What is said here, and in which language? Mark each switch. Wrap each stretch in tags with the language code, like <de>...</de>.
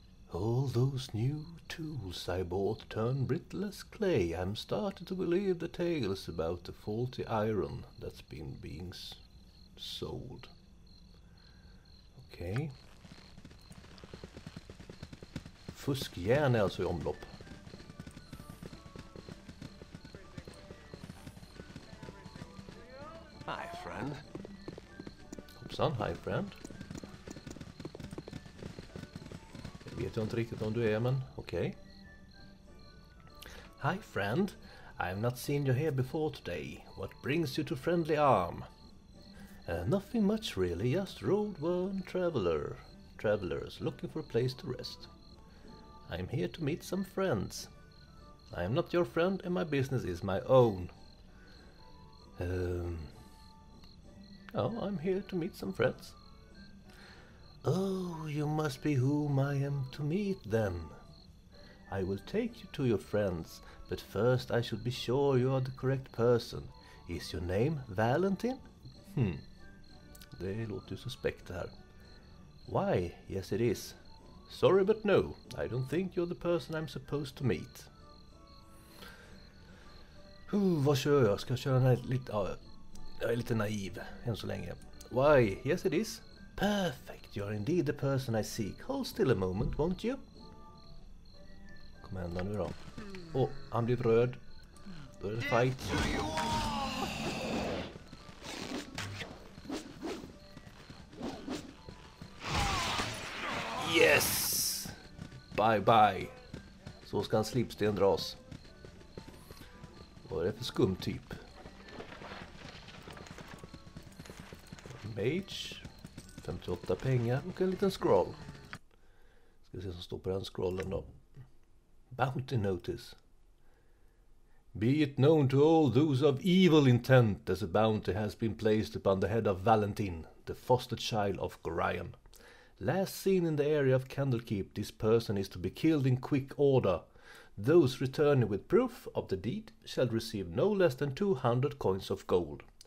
<en>All those new tools I bought turn brittle as clay. I'm starting to believe the tales about the faulty iron that's been being sold. Okej. Okay.</en> <sv>Fuskjärn är alltså i omlopp.</sv> <en>Hi friend. Hoppsan, hi friend.</en> <sv>Jag vet inte riktigt om du är, men okej. Okay.</sv> <en>Hi friend, I have not seen you here before today. What brings you to Friendly Arm? Nothing much really, just roadworn travelers looking for a place to rest. I'm here to meet some friends. I am not your friend and my business is my own. I'm here to meet some friends. Oh, you must be whom I am to meet then. I will take you to your friends, but first I should be sure you are the correct person. Is your name Valentin?</en> <sv>Det låter ju suspekt det här.</sv> <en>Why? Yes it is. Sorry but no. I don't think you're the person I'm supposed to meet.</en> <sv>Vad kör jag? Ska jag köra lite... Jag är lite naiv än så länge.</sv> <en>Why? Yes it is. Perfect. You're indeed the person I seek. Hold still a moment, won't you?</en> <sv>Kom igen då nu då. Åh, han blev röd. Börjar fight.</sv> <en>Yes! Bye bye!</en> <sv>Så ska en slipsten dras. Vad är det för skum typ?</sv> <en>Mage.</en> <sv>58 pengar och en liten scroll. Ska se som står på den scrollen då.</sv> <en>Bounty notice. Be it known to all those of evil intent as a bounty has been placed upon the head of Valentin, the foster child of Gorion. Last seen in the area of Candlekeep, this person is to be killed in quick order. Those returning with proof of the deed shall receive no less than 200 coins of gold.</en>